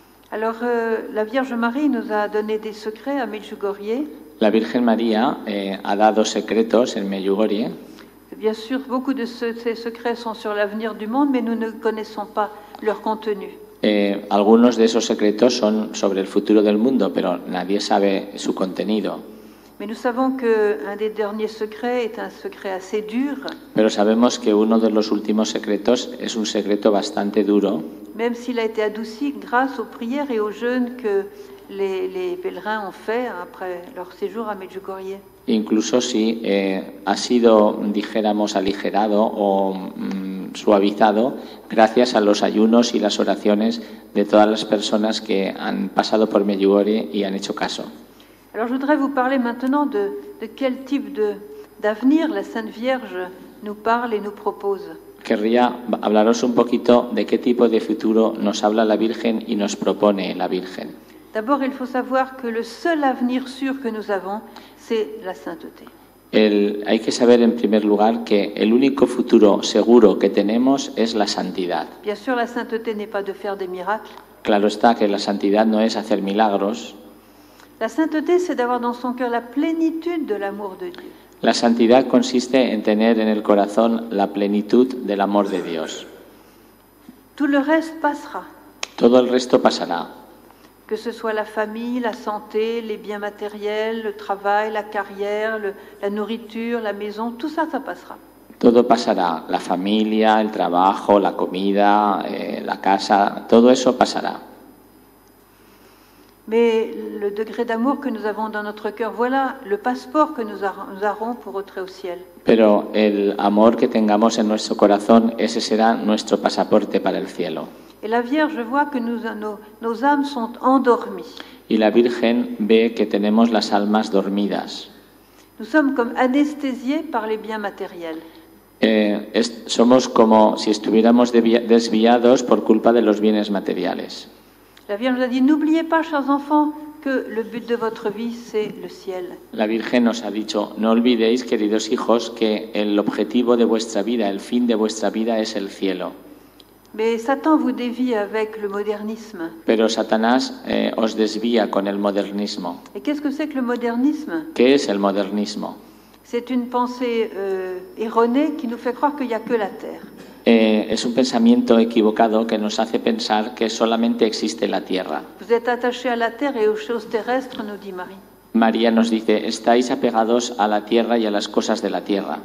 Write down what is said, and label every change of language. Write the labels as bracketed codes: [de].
[fr] Alors la Vierge Marie nous a donné des secrets à Medjugorje. [es] La Virgen María ha dado secretos en Medjugorje. [fr] Bien sûr, beaucoup de ces secrets sont sur l'avenir du monde, mais nous ne connaissons pas leur contenu. [es] Algunos de esos secretos son sobre el futuro del mundo, pero nadie sabe su contenido. [fr] Mais nous savons qu'un des derniers secrets est un secret assez dur. [es] Pero sabemos que uno de los últimos secretos es un secreto bastante duro. [fr] Même s'il a été adouci grâce aux prières et aux jeûnes que les pèlerins ont fait après leur séjour à Medjugorje. [es] Incluso si ha sido, dijéramos, aligerado o suavizado gracias a los ayunos y las oraciones de todas las personas que han pasado por Medjugorje y han hecho caso. [fr] Alors, je voudrais vous parler maintenant de quel type d'avenir la Sainte Vierge nous parle et nous propose. [es] Querría hablaros un poquito de qué tipo de futuro nos habla la Virgen y nos propone la Virgen. [fr] D'abord, il faut savoir que le seul avenir sûr que nous avons, c'est la sainteté. [es] Hay que saber en primer lugar que el único futuro seguro que tenemos es la santidad. [fr] Bien sûr, la sainteté n'est pas de faire des miracles. [es] Claro está que la santidad no es hacer milagros. [fr] La sainteté, c'est d'avoir dans son cœur la plénitude de l'amour de Dieu. [es] La santidad consiste en tener en el corazón la plenitud del amor de Dios. [fr] Tout le reste passera. [es] Todo el resto pasará. [fr] Que ce soit la famille, la santé, les biens matériels, le travail, la carrière, la nourriture, la maison, tout ça, ça passera. [es] Todo pasará. La familia, el trabajo, la comida, la casa, todo eso pasará. [fr] Mais le degré d'amour que nous avons dans notre cœur, voilà le passeport que nous aurons pour entrer au ciel. [es] Pero el amor que tengamos en nuestro corazón, ese será nuestro pasaporte para el cielo. [fr] Et la Vierge voit que nos âmes sont endormies. [es] Y la Virgen ve que tenemos las almas dormidas. [fr] Nous sommes comme anesthésiés par les biens matériels. [es] Somos como si estuviéramos desviados por culpa de los bienes materiales. [fr] La Vierge nous a dit, n'oubliez pas, chers enfants, que le but de votre vie, c'est le ciel. [es] La Virgen nos ha dicho, no olvidéis, queridos hijos, que el objetivo de vuestra vida, el fin de vuestra vida es el cielo. [fr] Mais Satan vous dévie avec le modernisme. [es] Pero Satanás os desvía con el modernismo. [fr] Et qu'est-ce que c'est que le modernisme? [es] ¿Qué es el modernismo? [fr] C'est une pensée erronée qui nous fait croire qu'il n'y a que la Terre. [es] Es un pensamiento equivocado que nos hace pensar que solamente existe la Tierra. [fr] Vous êtes attachés à la Terre et aux choses terrestres, nous dit Marie. [es] María nos dice, estáis apegados a la Tierra y a las cosas de la Tierra.